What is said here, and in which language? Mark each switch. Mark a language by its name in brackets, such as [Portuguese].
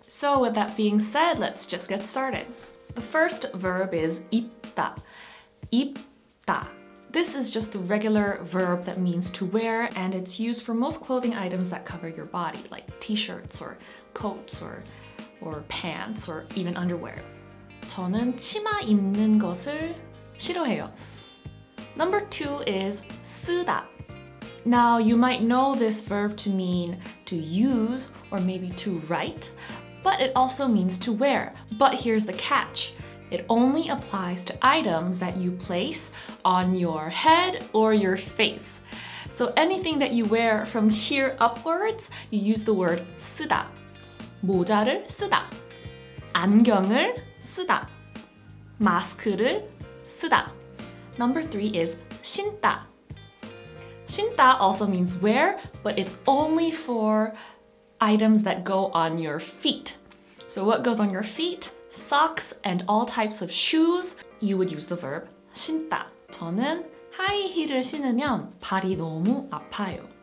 [English] So with that being said, let's just get started. The first verb is 입다. 입다. This is just the regular verb that means to wear, and it's used for most clothing items that cover your body, like t-shirts or coats or pants or even underwear. [Korean] 저는 치마 입는 것을 싫어해요. [English] Number two is 쓰다. Now, you might know this verb to mean to use or maybe to write, but it also means to wear. But here's the catch. It only applies to items that you place on your head or your face. So anything that you wear from here upwards, you use the word 쓰다. [Korean] 모자를 쓰다. 안경을 쓰다. 마스크를 쓰다. [English] Number three is [Korean] 신다. [English] 신다 also means wear, but it's only for items that go on your feet. So what goes on your feet? Socks and all types of shoes, you would use the verb 신다. [Korean] 저는 하이힐을 신으면 발이 너무 아파요.